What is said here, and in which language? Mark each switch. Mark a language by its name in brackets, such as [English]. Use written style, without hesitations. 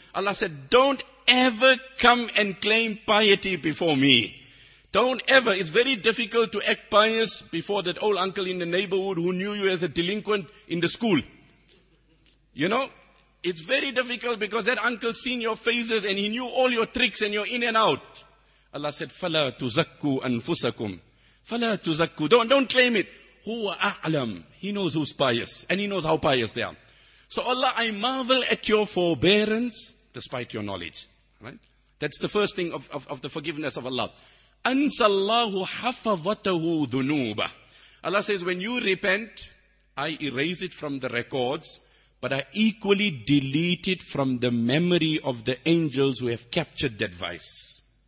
[English] Allah said, don't ever come and claim piety before me. Don't ever. It's very difficult to act pious before that old uncle in the neighborhood who knew you as a delinquent in the school. You know, it's very difficult because that uncle seen your faces and he knew all your tricks and your in and out. [Arabic] Allah said, فَلَا تُزَكُّوا أَنفُسَكُمْ. فَلَا تُزَكُّوا. [English] Don't claim it. [Arabic] هُوَ أَعْلَمْ. [English] He knows who's pious and he knows how pious they are. So Allah, I marvel at your forbearance despite your knowledge. Right? That's the first thing of the forgiveness of Allah. [Arabic] أَنْسَ اللَّهُ حَفَظَتَهُ ذُنُوبَ. [English] Allah says, when you repent, I erase it from the records, but I equally delete it from the memory of the angels who have captured that vice.